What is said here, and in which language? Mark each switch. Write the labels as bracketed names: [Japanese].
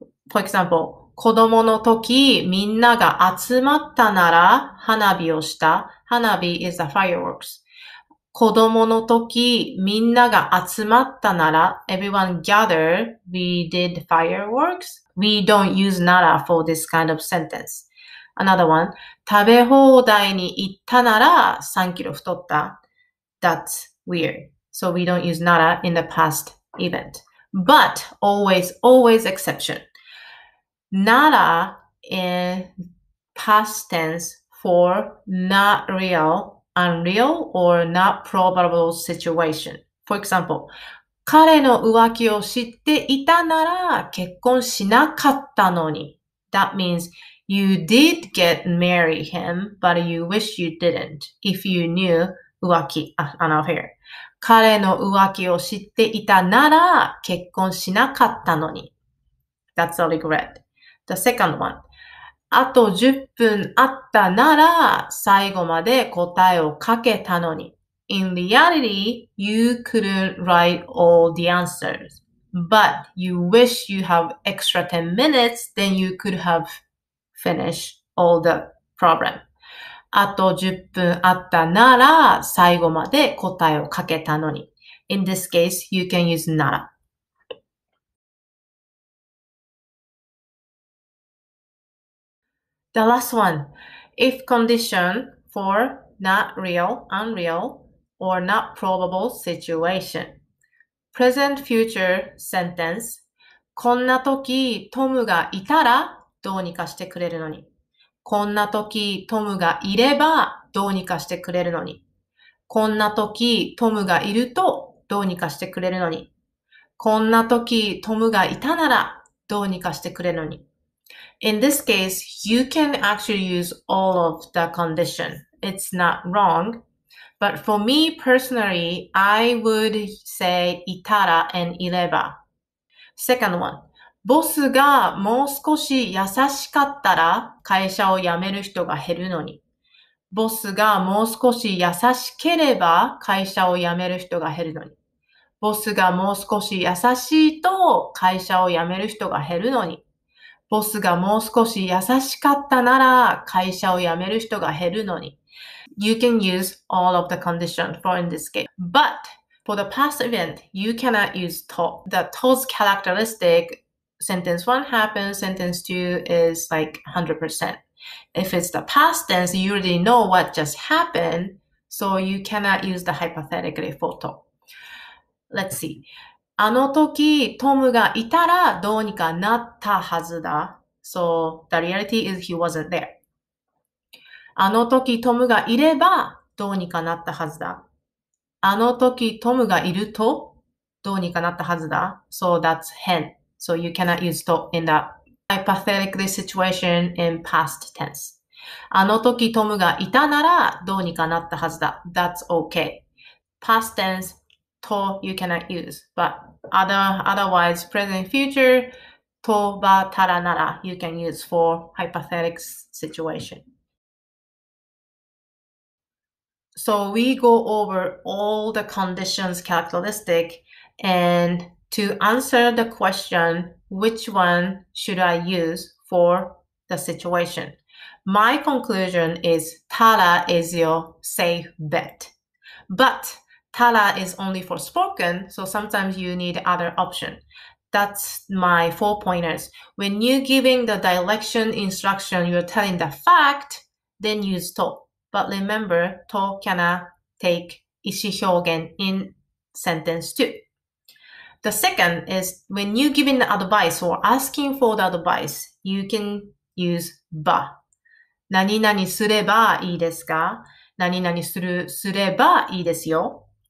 [English] For example, [Japanese] 子供の時みんなが集まったなら花火をした。 [English] 花火 is the fireworks. [Japanese] 子供の時みんなが集まったなら [English] everyone gathered, we did fireworks. We don't use NARA for this kind of sentence. Another one. [Japanese] 食べ放題に行ったなら3キロ太った。 [English] That's weird. So we don't use NARA in the past event. But always, always exception. NARA in past tense for not real. Unreal or not probable situation. [Japanese] For example, 彼の浮気を知っていたなら結婚しなかったのに。 [English] That means you did get marry him, but you wish you didn't if you knew 浮気 an affair. [Japanese] 彼の浮気を知っていたなら結婚しなかったのに。 [English] That's a regret. The second one. [Japanese] あと10分あったなら最後まで答えをかけたのに。 [English] In reality, you couldn't write all the answers. But you wish you have extra 10 minutes, then you could have finished all the problem. [Japanese] あと10分あったなら最後まで答えをかけたのに。 [English] In this case, you can use なら。 The last one, if condition for not real, unreal, or not probable situation. Present future sentence, [Japanese] こんな時トムがいたらどうにかしてくれるのに。こんな時トムがいればどうにかしてくれるのに。こんな時トムがいるとどうにかしてくれるのに。こんな時トムがいたならどうにかしてくれるのに。 [English] In this case, you can actually use all of the condition. It's not wrong. But for me personally, I would say いたら and いれば. Second one. [Japanese] ボスがもう少し優しかったら会社を辞める人が減るのに。ボスがもう少し優しければ会社を辞める人が減るのに。ボスがもう少し優しいと会社を辞める人が減るのに。ボスがもう少し優しかったなら会社を辞める人が減るのに。 [English] You can use all of the condition for in this case. But for the past event, you cannot use to. The to's characteristic, sentence one happens, sentence two is like 100%. If it's the past tense, you already know what just happened, so you cannot use the hypothetically for to. Let's see. [Japanese] あの時トムがいたらどうにかなったはずだ。 [English] So the reality is he wasn't there. [Japanese] あの時トムがいればどうにかなったはずだ。あの時トムがいるとどうにかなったはずだ。 [English] So that's him. So you cannot use to in the hypothetically situation in past tense. [Japanese] あの時トムがいたならどうにかなったはずだ。 [English] That's okay. Past tense. To you cannot use, but otherwise present future, to ba tara nara you can use for hypothetical situation. So we go over all the conditions characteristic, and to answer the question, which one should I use for the situation? My conclusion is Tara is your safe bet. But Tara is only for spoken, so sometimes you need other option. That's my four pointers. When you're giving the direction instruction, you're telling the fact, then use to. But remember, to can take 意思表現 in sentence two. The second is when you're giving the advice or asking for the advice, you can use ba. [Japanese] 何々すればいいですか？何々する、すればいいですよ。